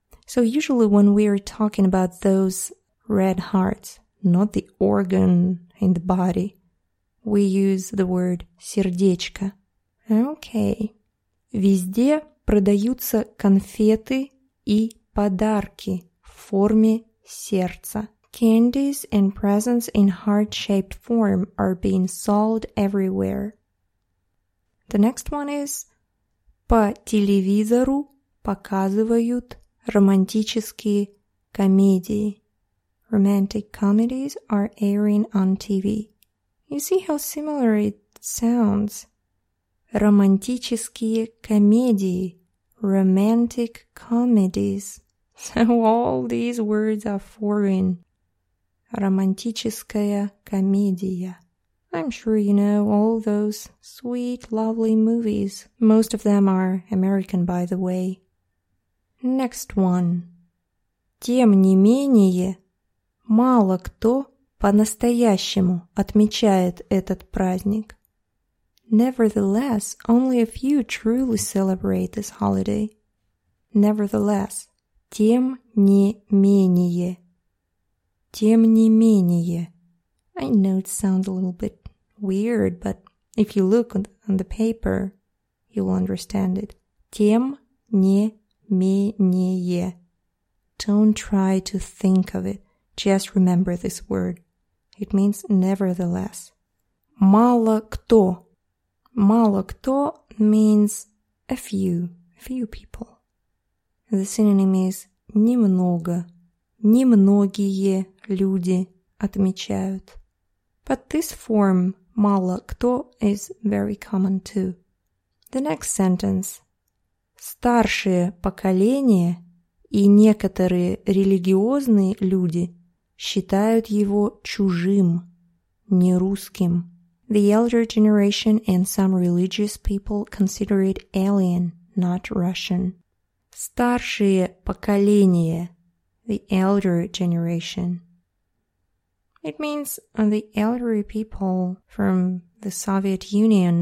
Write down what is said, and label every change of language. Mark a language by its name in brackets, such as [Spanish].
[English] So usually when we are talking about those red hearts, not the organ in the body, we use the word сердечко. Okay. [Russian] Везде продаются конфеты и подарки в форме сердца. [English] Candies and presents in heart-shaped form are being sold everywhere. The next one is [Russian] по телевизору показывают романтические комедии. [English] Romantic comedies are airing on TV. You see how similar it sounds. [Russian] Романтические комедии. [English] Romantic comedies. So all these words are foreign. [Russian] Романтическая комедия. [English] I'm sure you know all those sweet, lovely movies. Most of them are American, by the way. Next one. [Russian] Тем не менее, мало кто по-настоящему отмечает этот праздник. [English] Nevertheless, only a few truly celebrate this holiday. Nevertheless, [Russian] тем не менее. Тем не менее. [English] I know it sounds a little bit weird, but if you look on the paper, you will understand it. [Russian] Тем не менее. [English] Don't try to think of it. Just remember this word. It means nevertheless. [Russian] Мало кто. Мало кто [English] means a few, few people. The synonym is немного. [Russian] Немногие люди отмечают. [English] But this form, [Russian] мало кто, [English] is very common too. The next sentence. [Russian] Старшее поколение и некоторые религиозные люди считают его чужим, нерусским. [English] The elder generation and some religious people consider it alien, not Russian. [Russian] Старшие поколения. [English] The elder generation. It means the elderly people from the Soviet Union.